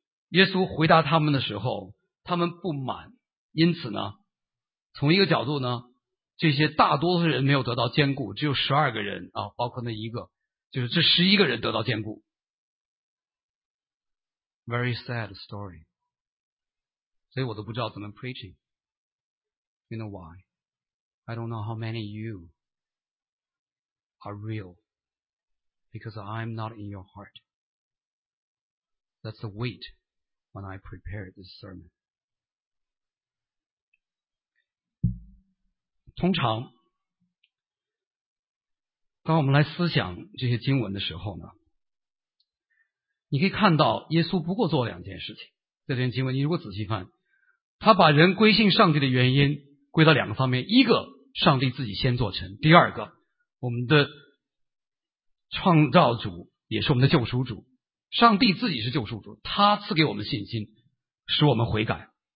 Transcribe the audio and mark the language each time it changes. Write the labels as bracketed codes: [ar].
[zh] 耶稣回答他们的时候，他们不满，因此呢，从一个角度呢，这些大多数人没有得到兼顾，只有12个人啊，包括那一个，就是这11个人得到兼顾。 [en] Very sad story. [zh] 所以我都不知道怎么 preaching. [en] You know why? I don't know how many of you are real because I'm not in your heart. That's the weight when I prepare this sermon. [zh] 通常当我们来思想这些经文的时候呢，你可以看到耶稣不过做两件事情。在这篇经文你如果仔细看，他把人归信上帝的原因归到两个方面，一个上帝自己先做成，第二个我们的创造主也是我们的救赎主，上帝自己是救赎主，他赐给我们信心使我们悔改。